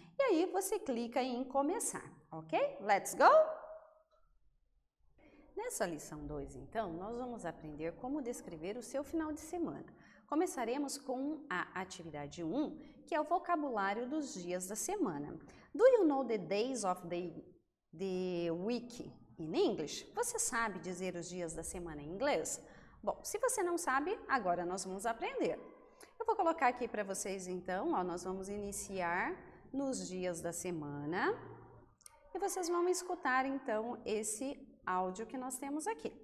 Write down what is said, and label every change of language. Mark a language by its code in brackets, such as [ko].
[pt] E aí você clica em começar, ok? [en] Let's go! [pt] Nessa lição 2, então, nós vamos aprender como descrever o seu final de semana. Começaremos com a atividade 1, que é o vocabulário dos dias da semana. [en] Do you know the days of the week in English? [pt] Você sabe dizer os dias da semana em inglês? Bom, se você não sabe, agora nós vamos aprender. Eu vou colocar aqui para vocês, então, ó, nós vamos iniciar nos dias da semana. E vocês vão escutar, então, esse áudio que nós temos aqui.